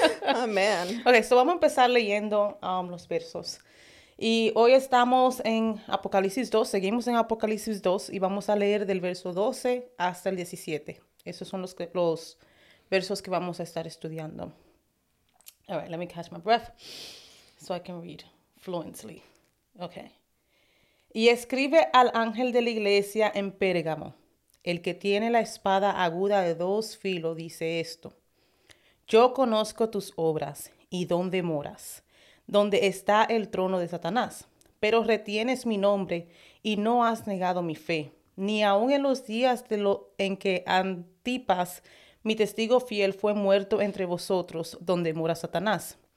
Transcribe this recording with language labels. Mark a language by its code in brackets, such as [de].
[es] Amén. Ok, so vamos a empezar leyendo los versos. Y hoy estamos en Apocalipsis 2, seguimos en Apocalipsis 2 y vamos a leer del verso 12 hasta el 17. Esos son los versos que vamos a estar estudiando. [en] All right, let me catch my breath so I can read fluently. Ok. [es] Y escribe al ángel de la iglesia en Pérgamo. El que tiene la espada aguda de dos filos dice esto. Yo conozco tus obras y dónde moras, donde está el trono de Satanás. Pero retienes mi nombre y no has negado mi fe, ni aun en los días en que Antipas, mi testigo fiel, fue muerto entre vosotros, donde mora Satanás.